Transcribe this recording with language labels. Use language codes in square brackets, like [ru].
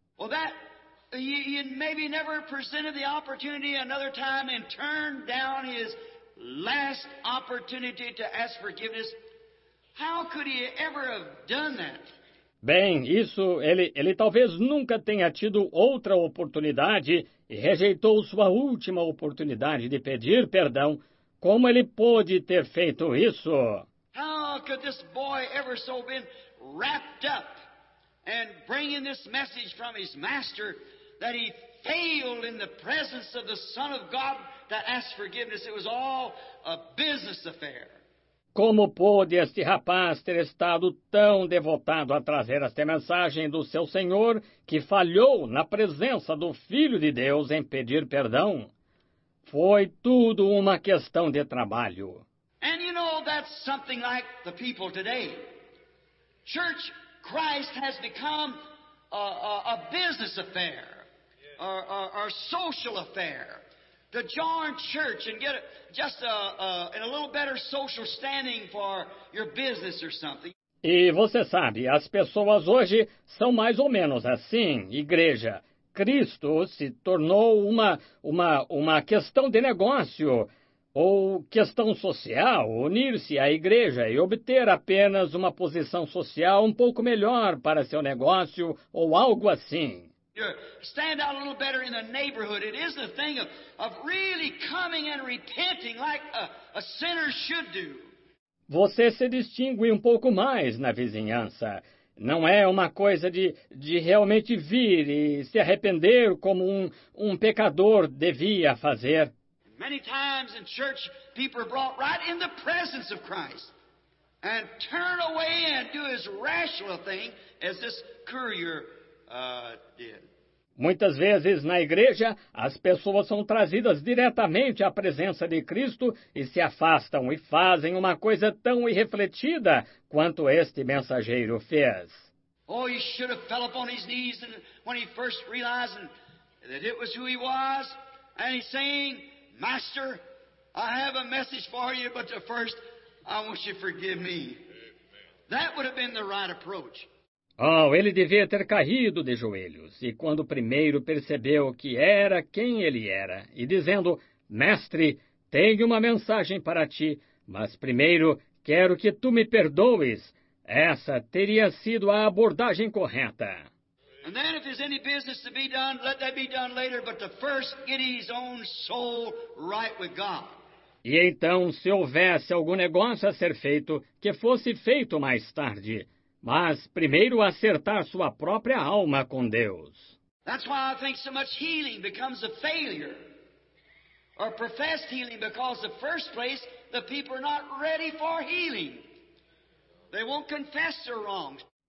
[en] Well, that he maybe never presented the opportunity another time and turned down his last opportunity to ask forgiveness. How could he ever have done that? [pt] Bem, isso, ele talvez nunca tenha tido outra oportunidade e rejeitou sua última oportunidade de pedir perdão. Como ele pôde ter feito isso? [en] How could this boy ever so been wrapped up and bringing this message from his master that he failed in the presence of the Son of God that asked forgiveness. It was all a business affair. [pt] Como pôde este rapaz ter estado tão devotado a trazer esta mensagem do seu Senhor que falhou na presença do Filho de Deus em pedir perdão? Foi tudo uma questão de trabalho. [en] And you know, that's something like the people today. Church Christ has become a business affair, or social affair. To join church and get just a little better social standing for your business or something. [pt] E você sabe, as pessoas hoje são mais ou menos assim, igreja. Cristo se tornou uma questão de negócio ou questão social, unir-se à igreja e obter apenas uma posição social um pouco melhor para seu negócio ou algo assim. [en] Stand out a little better in the neighborhood. It isn't a thing of really coming and repenting like a sinner should do. [pt] Você se distingue um pouco mais na vizinhança. Não é uma coisa de realmente vir e se arrepender como um pecador devia fazer. [en] Many times in church, people are brought right in the presence of Christ and turn away and do as rational a thing as this courier did. [pt] Muitas vezes na igreja, as pessoas são trazidas diretamente à presença de Cristo e se afastam e fazem uma coisa tão irrefletida quanto este mensageiro fez. [en] Oh, he should have fell upon his knees when he first realized that it was who he was. And he's saying, Master, I have a message for you, but first I want you to forgive me. That would have been the right approach. [pt] Oh, ele devia ter caído de joelhos, e quando primeiro percebeu que era quem ele era, e dizendo, Mestre, tenho uma mensagem para ti, mas primeiro quero que tu me perdoes. Essa teria sido a abordagem correta. [en] And then if there's any business to be done, let that be done later, but to first get his own soul right with God. [pt] E então, se houvesse algum negócio a ser feito, que fosse feito mais tarde, mas primeiro acertar sua própria alma com Deus. [en] That's why I think so much healing becomes a failure. Or professed healing, because the first place the people are not ready for healing. They won't confess their wrongs.